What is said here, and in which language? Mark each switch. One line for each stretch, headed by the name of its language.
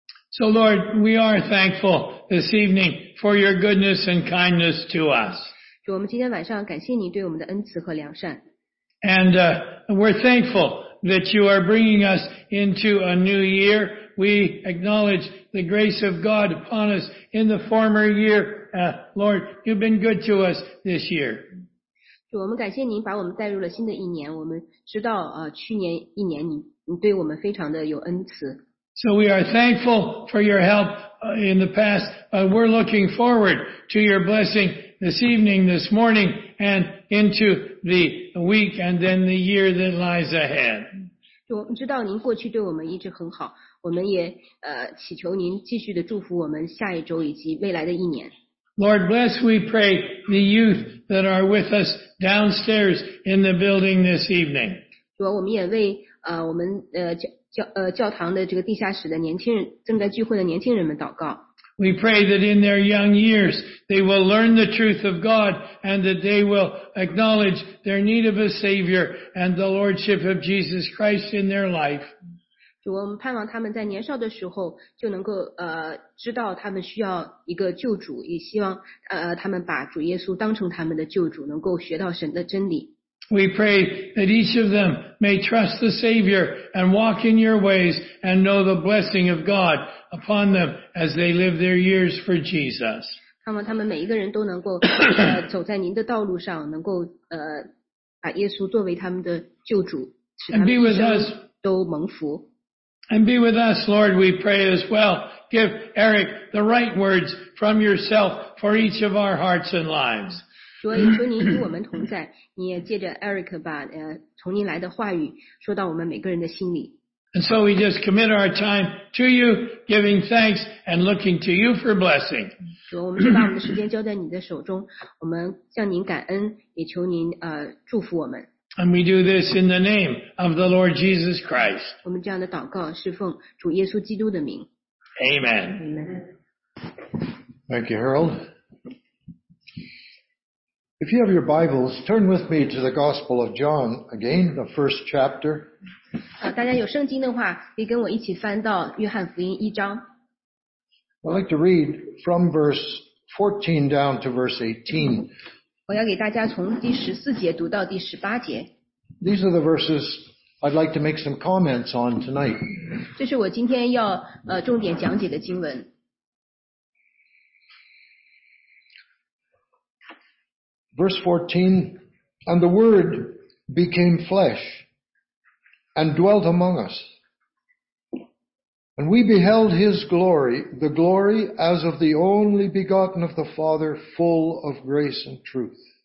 English: So Lord, we are thankful this evening for your goodness and kindness to us.
Chinese: 主，我们今天晚上感谢你对我们的恩慈和良善。
English: And we're thankful that you are bringing us into a new year. We acknowledge the grace of God upon us in the former year. Lord, you've been good to us this year.
Chinese: 主，我们感谢您把我们带入了新的一年。我们知道去年一年你对我们非常的有恩慈。
English: So we are thankful for your help in the past, but we're looking forward to your blessing this evening, this morning, and into the week and then the year that lies ahead.
Chinese: 我们知道您过去对我们一直很好，我们也祈求您继续的祝福我们下一周以及未来的一年。
English: Lord, bless, we pray, the youth that are with us downstairs in the building this evening.
Chinese: 主，我们也为我们教堂的这个地下室的年轻人，正在聚会的年轻人们祷告。
English: We pray that in their young years they will learn the truth of God and that they will acknowledge their need of a Savior and the Lordship of Jesus Christ in their life.
Chinese: 主，我们盼望他们在年少的时候就能够知道他们需要一个救主，也希望他们把主耶稣当成他们的救主，能够学到神的真理。
English: We pray that each of them may trust the Savior and walk in your ways and know the blessing of God upon them as they live their years for Jesus.
Chinese: 盼望他们每一个人都能够走在您的道路上，能够把耶稣作为他们的救主，使他们一生都蒙福。
English: And be with us, Lord, we pray as well. Give Eric the right words from yourself for each of our hearts and lives.
Chinese: 主，也求您与我们同在，你也借着 Eric 把从您来的话语说到我们每个人的心里。
English: And so we just commit our time to you, giving thanks and looking to you for blessing.
Chinese: 主，我们就把我们的时间交在你的手中，我们向您感恩，也求您祝福我们。
English: And we do this in the name of the Lord Jesus Christ.
Chinese: 我们这样的祷告是奉主耶稣基督的名。
English: Amen. Amen. Thank you, Harold. If you have your Bibles, turn with me to the Gospel of John, again, the first chapter.
Chinese: 大家有圣经的话，可以跟我一起翻到约翰福音一章。
English: I'd like to read from verse 14 down to verse 18.
Chinese: 我要给大家从第十四节读到第十八节。
English: These are the verses I'd like to make some comments on tonight.
Chinese: 这是我今天要重点讲解的经文。
English: Verse 14, and the Word became flesh and dwelt among us. And we beheld his glory, the glory as of the only begotten of the Father, full of grace and truth.